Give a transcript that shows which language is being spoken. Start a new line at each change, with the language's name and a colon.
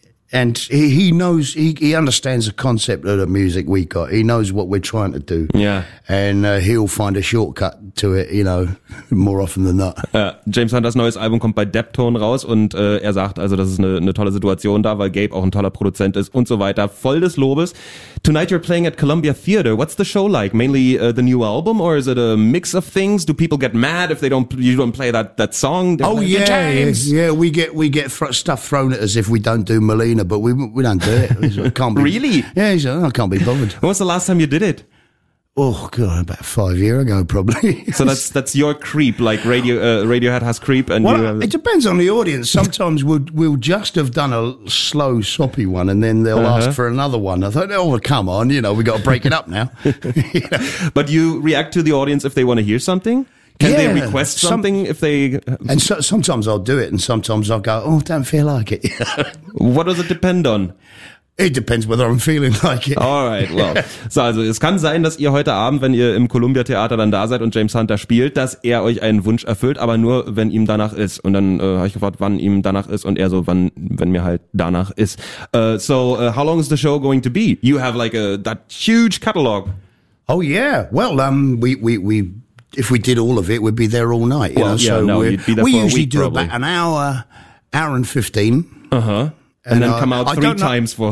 English: And he knows, he understands the concept of the music we got. He knows what we're trying to do. Yeah. And he'll find a shortcut to it, you know, more often than not.
German: James Hunters neues Album kommt bei Deptone raus und er sagt also, das ist eine tolle Situation da, weil Gabe auch ein toller Produzent ist und so weiter. Voll des Lobes.
English: Tonight you're playing at Columbia Theater. What's the show like? Mainly the new album or is it a mix of things? Do people get mad if you don't play that song? They're we get stuff thrown at us if we don't do Melina, but we don't do it. Can't be, really? Yeah, I can't be bothered. When was the last time you did it? Oh god, about 5 years ago, probably. So that's your creep, like Radiohead has creep, and it depends on the audience. Sometimes we'll just have done a slow, soppy one, and then they'll ask for another one. I thought, oh, come on, you know, we got to break it up now. But you react to the audience if they want to hear something. Can they request something if they? And so, sometimes I'll do it, and sometimes I'll go, oh, don't feel like it. What does it depend on? It depends whether I'm feeling like it. All right, well.
German: So, also, es kann sein, dass ihr heute Abend, wenn ihr im Columbia Theater dann da seid und James Hunter spielt, dass er euch einen Wunsch erfüllt, aber nur, wenn ihm danach ist. Und dann habe ich gefragt, wann ihm danach ist, und er so, wenn mir halt danach ist.
English: How long is the show going to be? You have like that huge catalog. Oh yeah, well, we if we did all of it, we'd be there all night. Well, Yeah, so no, you'd be there for a week, probably. About an hour and 15. Uh-huh. And then come out three times for...